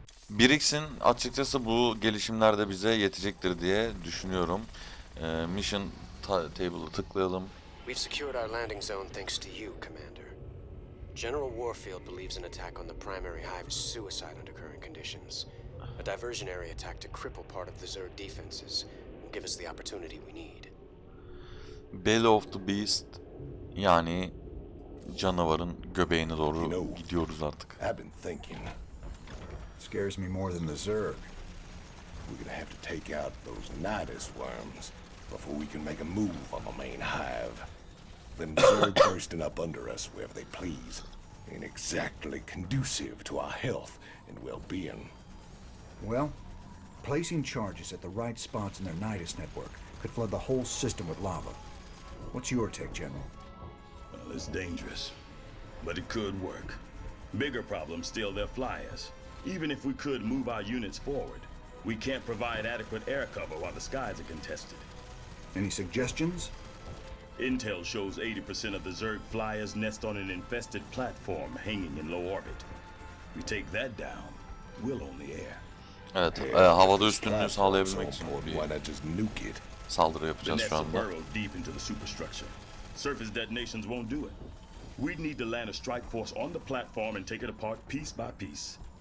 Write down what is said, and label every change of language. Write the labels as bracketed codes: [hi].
[tr] Brix'in açıkçası bu gelişimlerde bize yetecektir diye düşünüyorum. Mission table'ı tıklayalım. [en] We've secured our landing zone thanks to you, Commander. General Warfield believes an attack on the primary hive is suicide under current conditions. A diversionary attack to cripple part of the Zerg defenses will give us the opportunity we need. [tr] Belly of the Beast, yani canavarın göbeğine doğru gidiyoruz artık. [en] I've been thinking. Scares me more than the Zerg. We're gonna have to take out those Nidus worms before we can make a move on the main hive. Them Zerg bursting up under us wherever they please ain't exactly conducive to our health and well-being. Well, placing charges at the right spots in their Nidus network could flood the whole system with lava. What's your take, General? Well, it's dangerous, but it could work. Bigger problem still, their flyers. Even if we could move our units forward, we can't provide adequate air cover while the skies are contested. Any suggestions? Intel shows 80% of the Zerg flyers nest on an infested platform hanging in low orbit. We take that down, we'll own the air. [tr] Evet, havada üstünlüğü sağlayabilmek için bir saldırı yapacağız şu anda. [en] Burrowed deep into the superstructure. Surface detonations won't do it. We'd need to land a strike force on the platform and take it apart piece by piece.